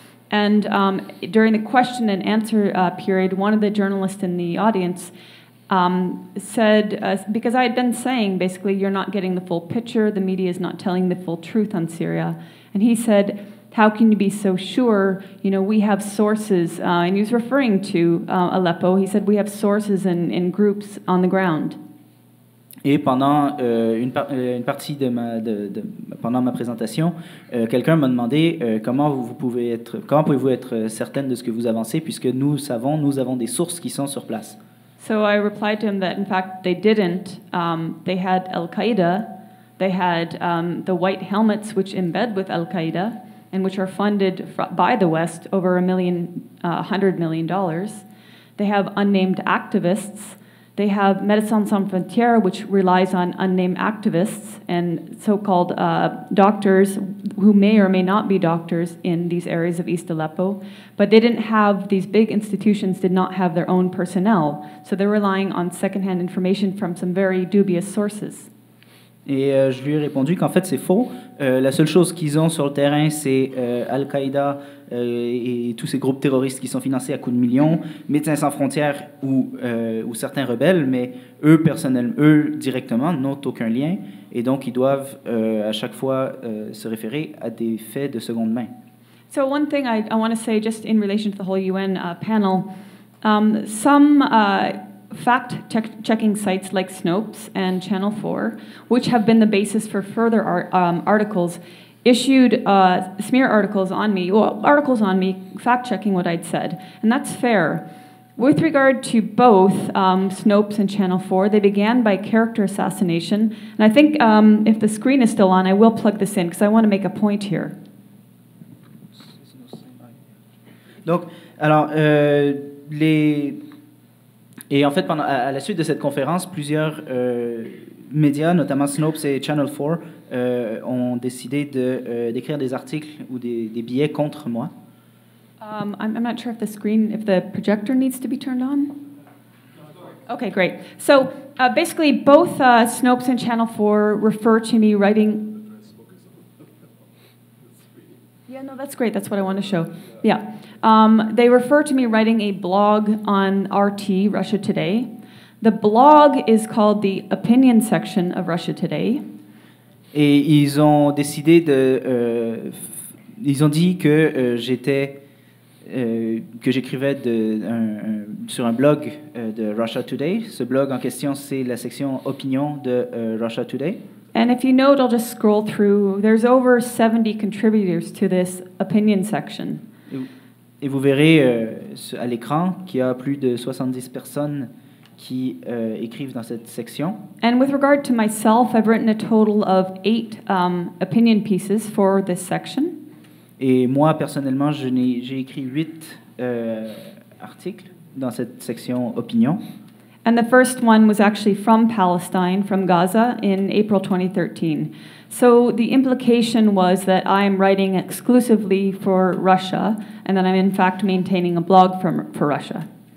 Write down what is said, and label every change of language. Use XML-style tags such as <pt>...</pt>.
<en>And during the question and answer period, one of the journalists in the audience said, because I had been saying, basically, you're not getting the full picture, the media is not telling the full truth on Syria. And he said, how can you be so sure? You know, we have sources, and he was referring to Aleppo, he said, we have sources in groups on the ground.</en> <fr>Et pendant une partie de pendant ma présentation, quelqu'un m'a demandé comment pouvez-vous être certaine de ce que vous avancez, puisque nous avons des sources qui sont sur place.</fr> <en>So I replied to him that, in fact, they didn't. They had Al-Qaeda. They had the white helmets, which embed with Al-Qaeda, and which are funded by the West over $100 million. They have unnamed activists. They have Médecins Sans Frontières, which relies on unnamed activists and so-called doctors who may or may not be doctors in these areas of East Aleppo. But they didn't have, these big institutions did not have their own personnel. So they're relying on secondhand information from some very dubious sources.</en> <fr>Et je lui ai répondu qu'en fait, c'est faux. La seule chose qu'ils ont sur le terrain, c'est Al-Qaïda et tous ces groupes terroristes qui sont financés à coups de millions, Médecins Sans Frontières ou certains rebelles, mais eux, personnellement, eux directement, n'ont aucun lien. Et donc, ils doivent à chaque fois se référer à des faits de seconde main.</fr> <en>So one thing I want to say, just in relation to the whole UN panel, fact-checking sites like Snopes and Channel 4, which have been the basis for further articles, issued smear articles on me, fact-checking what I'd said. And that's fair. With regard to both Snopes and Channel 4, they began by character assassination. And I think if the screen is still on, I will plug this in, because I want to make a point here.</en> <fr>Donc, alors, les... Et en fait, pendant, à la suite de cette conférence, plusieurs médias, notamment Snopes et Channel 4, ont décidé de, d'écrire des articles ou des billets contre moi.</fr> <en>I'm not sure if the screen, if the projector needs to be turned on. Okay, great. So, basically, both Snopes and Channel 4 refer to me writing... Yeah, no, that's great. That's what I want to show. Yeah. They refer to me writing a blog on RT, Russia Today. The blog is called the opinion section of Russia Today.</en> <fr>Et ils ont décidé de... ils ont dit que j'étais... que j'écrivais de, sur un blog de Russia Today. Ce blog en question, c'est la section opinion de Russia Today.</fr> <en>And if you note, I'll just scroll through. There's over 70 contributors to this opinion section.</en> <fr>Et vous verrez à l'écran qu'il y a plus de 70 personnes qui écrivent dans cette section.</fr> <en>And with regard to myself, I've written a total of 8 opinion pieces for this section.</en> <fr>Et moi, personnellement, j'ai écrit 8 articles dans cette section opinion.</fr> <en>And the first one was actually from Palestine, from Gaza, in April 2013. So the implication was that I am writing exclusively for Russia, and that I'm in fact maintaining a blog for Russia.</en>